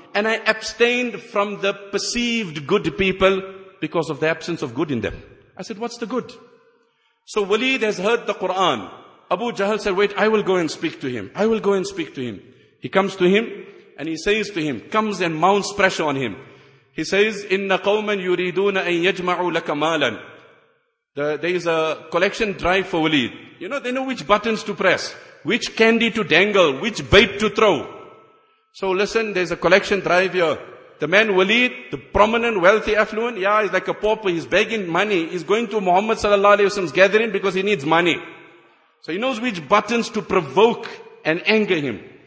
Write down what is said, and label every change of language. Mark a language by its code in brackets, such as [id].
[en] And I abstained from the perceived good people because of the absence of good in them. I said, what's the good? So Walid has heard the Quran. Abu Jahl said, wait, I will go and speak to him. I will go and speak to him. He comes to him and he says to him, comes and mounts pressure on him. He says, [ar] إِنَّ قَوْمًا يُرِيدُونَ أَن يَجْمَعُوا لَكَ مَالًا. [en] There is a collection drive for Walid. You know, they know which buttons to press, which candy to dangle, which bait to throw. So listen, there's a collection drive here. The man Walid, the prominent, wealthy, affluent, yeah, he's like a pauper, he's begging money. He's going to Muhammad sallallahu alayhi wa sallam's gathering because he needs money. So he knows which buttons to provoke and anger him.